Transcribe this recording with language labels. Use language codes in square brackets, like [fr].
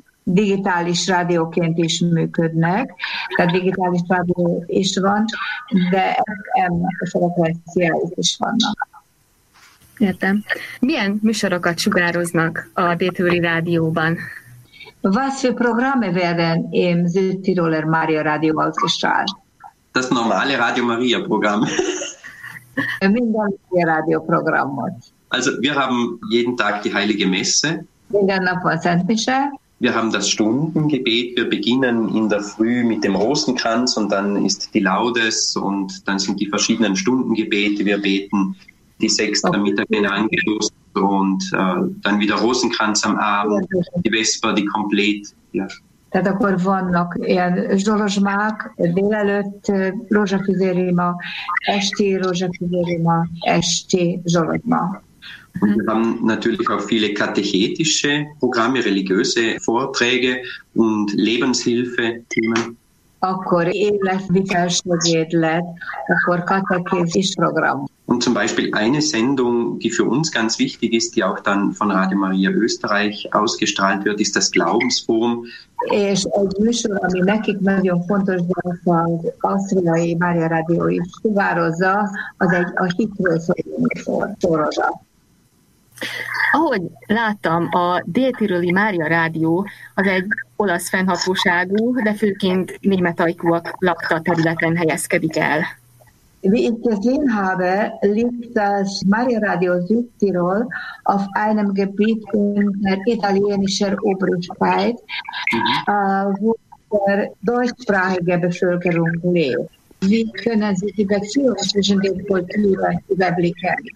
[hu] Digitális rádióként is működnek, tehát digitális rádió is van, de FM frekvenciáik is vannak. Értem. Milyen műsorokat sugároznak a dél-tiroli rádióban? [de] Was für Programme werden im Südtiroler Mária Rádió ausgestrahlt? Das normale Radio Maria Programm. [hu] Minden Mária Rádió programot. [de] Also wir haben jeden Tag die Heilige Messe. [hu] Minden nap a Szentmise. [de] Wir haben das Stundengebet. Wir beginnen in der Früh mit dem Rosenkranz und dann ist die Laudes und dann sind die verschiedenen Stundengebete. Wir beten die sechste Mittag in Angelus und dann wieder Rosenkranz am Abend, die Vesper, die komplett. Ja. [hu] Tehát akkor vannak ilyen zsorozsmák, délelőtt rózsafüzérima, esti rózsafüzérima, esti zsorozsma. [de] Und wir haben natürlich auch viele katechetische Programme, religiöse Vorträge und Lebenshilfe-Themen. [hu] Akkor életvitelsegédlet, akkor katechetis program. [de] Und zum Beispiel eine Sendung, die für uns ganz wichtig ist, die auch dann von Radio Maria Österreich ausgestrahlt wird, ist das Glaubensforum. [hu] És egy műsor, ami nekik nagyon fontos, de az Ausztriai Mária Rádió is sugározza, az egy a hitről szóló műsor. Ahogy láttam, a dél-tiroli Mária Rádió az egy olasz fennhatóságú, de főként németajkúak lakta területen helyezkedik el. [de] Wie ich gesehen habe, liegt das Mária Rádió Südtirol auf einem Gebiet in der italienischen Obrigkeit, wo der deutschsprachige Bevölkerung lebt. Wie können Sie die Beziehung zwischen den Kulturen überblicken?